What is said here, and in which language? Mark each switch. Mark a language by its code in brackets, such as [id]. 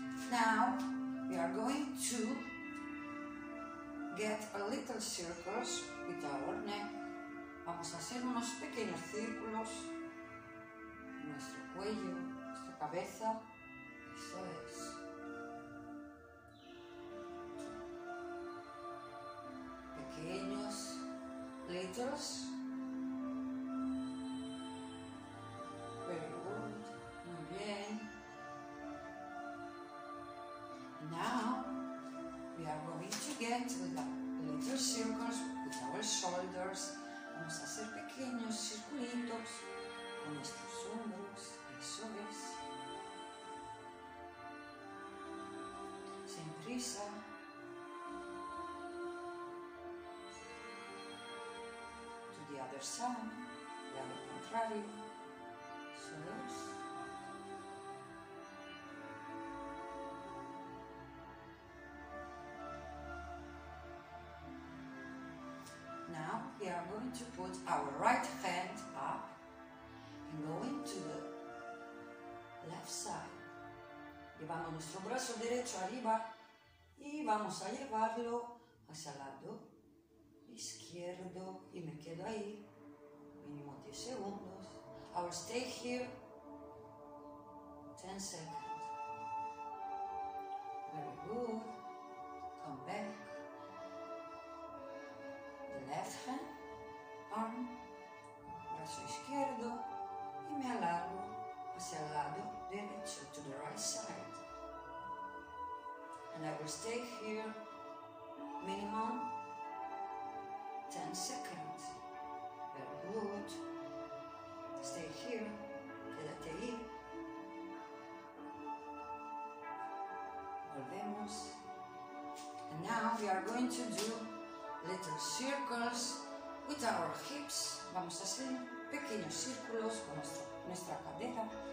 [en] Now we are going to get a little circles with our neck. [es] Vamos a hacer unos pequeños círculos en nuestro cuello, nuestra cabeza. Eso es. Pequeños litros. [en] Very good. [es] Muy bien. [en] Now we are going to get to the little circles with our shoulders. [es] Vamos a hacer pequeños circulitos con nuestros hombros. Eso es. Sin prisa. [en] To the other side. [es] De lo contrario. Eso es. [en] Now we are going to put our right hand up and going to the left side. [es] Llevando nuestro brazo derecho arriba y vamos a llevarlo hacia el lado izquierdo y me quedo ahí, mínimo 10 segundos. [en] I will stay here 10 seconds. Very good. Come back. Left hand, arm, [es] brazo izquierdo y me alargo hacia el lado derecho, [en] to the right side. And I will stay here minimum 10 seconds. Very good. Stay here, [es] quédate ahí. Volvemos. [en] And now we are going to do little circles with our hips. [es] Vamos a hacer pequeños círculos con nuestra cadera.